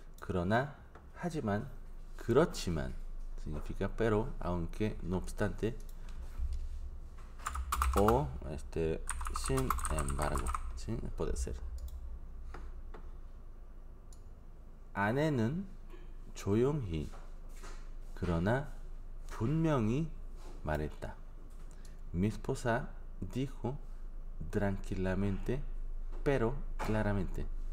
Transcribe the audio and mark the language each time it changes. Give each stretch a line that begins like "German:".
Spanish: 그러나, 하지만, 그렇지만 significa pero, aunque, no obstante o sin embargo, ¿sí? Puede ser.
Korean: 아내는 조용히 그러나 분명히 말했다.
Spanish: Mi esposa dijo tranquilamente, pero claramente.